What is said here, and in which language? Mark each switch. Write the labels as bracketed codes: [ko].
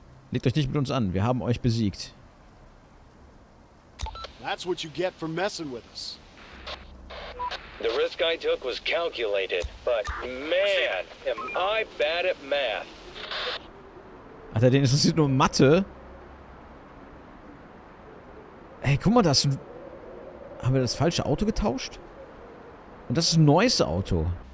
[de] Legt euch nicht mit uns an, wir haben euch besiegt. [en] That's what you get for messing with us. The risk I took was calculated, but man, am I bad at math. [de] Alter, den interessiert nur Mathe. Hey, guck mal, das... Haben wir das falsche Auto getauscht? Und das ist ein neues Auto.